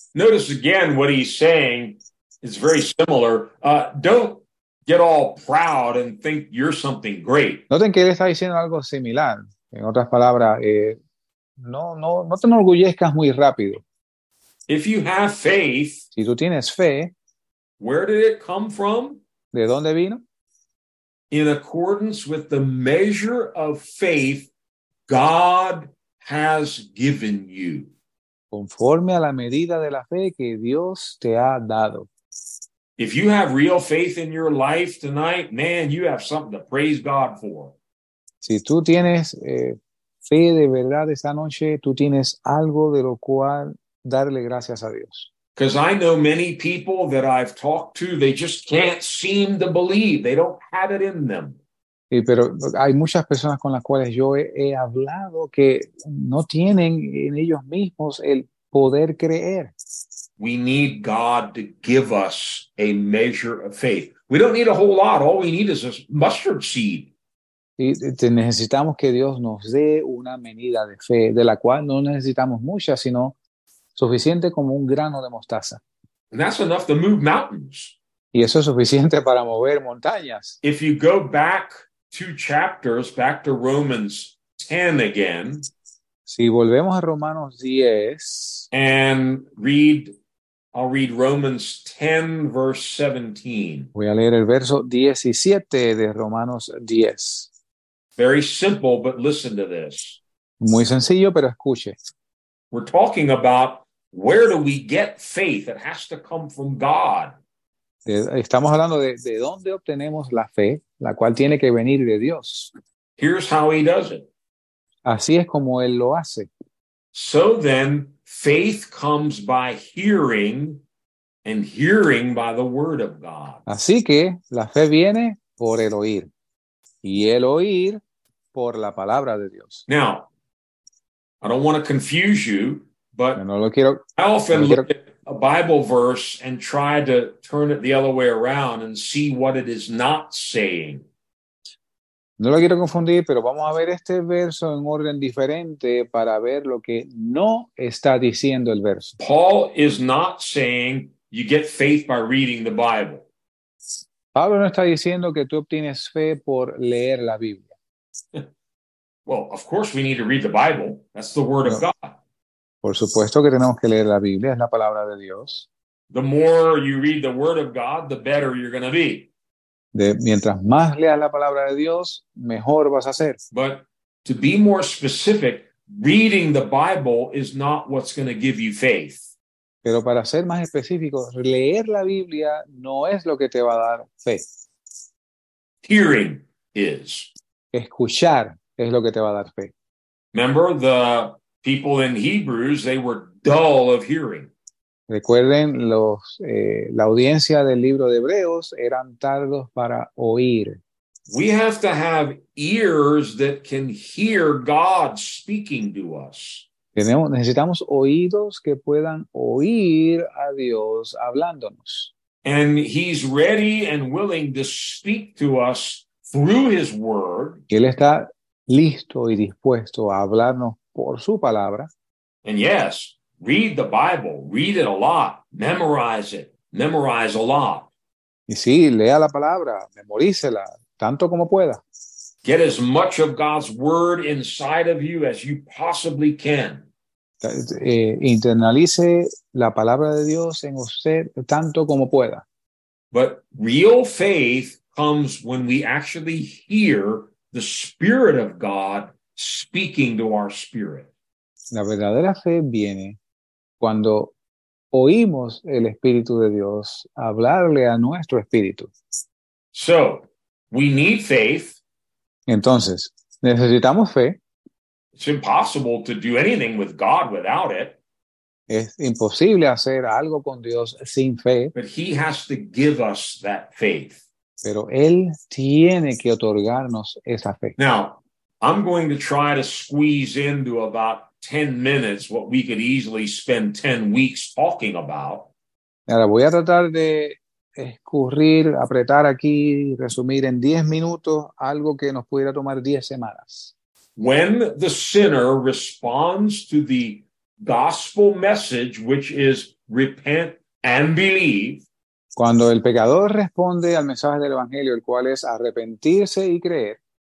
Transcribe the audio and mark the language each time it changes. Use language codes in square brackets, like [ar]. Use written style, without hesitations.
[en] Notice again what he's saying. It's very similar. Don't get all proud and think you're something great. [es] Noten que él está diciendo algo similar. En otras palabras, no te enorgullezcas muy rápido. [en] If you have faith, [es] si tú tienes fe, [en] where did it come from? [es] ¿De dónde vino? [en] In accordance with the measure of faith God has given you. [es] Conforme a la medida de la fe que Dios te ha dado. [en] If you have real faith in your life tonight, man, you have something to praise God for. [es] Si tú tienes fe de verdad esta noche, tú tienes algo de lo cual darle gracias a Dios. [en] Because I know many people that I've talked to, they just can't seem to believe. They don't have it in them. [es] Sí, pero hay muchas personas con las cuales yo he hablado que no tienen en ellos mismos el poder creer. [en] We need God to give us a measure of faith. We don't need a whole lot. All we need is a mustard seed. [es] Y necesitamos que Dios nos dé una medida de fe, de la cual no necesitamos mucha, sino suficiente como un grano de mostaza. [en] And that's enough to move mountains. [es] Y eso es suficiente para mover montañas. [en] If you go back two chapters, back to Romans 10 again. [es] Si volvemos a Romanos 10. [en] And read, I'll read Romans 10, verse 17. [es] Voy a leer el verso 17 de Romanos 10. [en] Very simple, but listen to this. [es] Muy sencillo, pero escuche. [en] We're talking about where do we get faith? It has to come from God. [es] Estamos hablando de dónde obtenemos la fe, la cual tiene que venir de Dios. [en] Here's how he does it. [es] Así es como él lo hace. [en] So then, faith comes by hearing, and hearing by the word of God. [es] Así que la fe viene por el oír, y el oír por la palabra de Dios. [en] Now, I don't want to confuse you, but [es] no lo quiero, [en] I often [es] no lo quiero, [en] look at a Bible verse and try to turn it the other way around and see what it is not saying. [es] No lo quiero confundir, pero vamos a ver este verso en orden diferente para ver lo que no está diciendo el verso. [en] Paul is not saying you get faith by reading the Bible. [es] Pablo no está diciendo que tú obtienes fe por leer la Biblia. [en] Well, of course we need to read the Bible. That's the word of God. [es] Por supuesto que tenemos que leer la Biblia, es la palabra de Dios. [en] The more you read the word of God, the better you're going to be. [es] De, mientras más leas la palabra de Dios, mejor vas a ser. [en] But to be more specific, reading the Bible is not what's going to give you faith. [es] Pero para ser más específico, leer la Biblia no es lo que te va a dar fe. [en] Hearing is. [es] Escuchar es lo que te va a dar fe. [en] Remember the people in Hebrews, they were dull of hearing. [es] Recuerden, los, la audiencia del libro de Hebreos eran tardos para oír. [en] We have to have ears that can hear God speaking to us. [es] Necesitamos oídos que puedan oír a Dios hablándonos. [en] And he's ready and willing to speak to us through his word. [es] Él está listo y dispuesto a hablarnos por su palabra. [en] And yes, read the Bible, read it a lot, memorize it, memorize a lot. [es] Y sí, lea la palabra, memorícela, tanto como pueda. [en] Get as much of God's word inside of you as you possibly can. [es] Internalice la palabra de Dios en usted tanto como pueda. [en] But real faith comes when we actually hear the Spirit of God speaking to our spirit. [es] La verdadera fe viene cuando oímos el Espíritu de Dios hablarle a nuestro espíritu. [en] So, we need faith. [es] Entonces, necesitamos fe. [en] It's impossible to do anything with God without it. [es] Es imposible hacer algo con Dios sin fe. [en] But he has to give us that faith. [es] Pero él tiene que otorgarnos esa fe. [en] Now, I'm going to try to squeeze into about 10 minutes what we could easily spend 10 weeks talking about. [es] Ahora voy a tratar de escurrir, apretar aquí, resumir en 10 minutos algo que nos pudiera tomar 10 semanas. [en] When the sinner responds to the gospel message, which is repent and believe, [es] cuando el pecador responde al mensaje del evangelio, el cual es arrepentirse y creer,